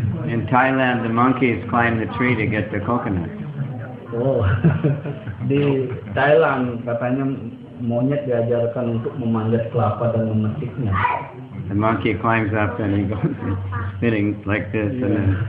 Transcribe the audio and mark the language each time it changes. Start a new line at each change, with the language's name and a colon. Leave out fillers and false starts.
English: In Thailand, the monkeys climb the tree to get the coconut. Oh.
Indonesian: Di Thailand, katanya monyet diajarkan untuk memanjat kelapa dan memetiknya.
English: The monkey climbs up and he goes spinning like this and then.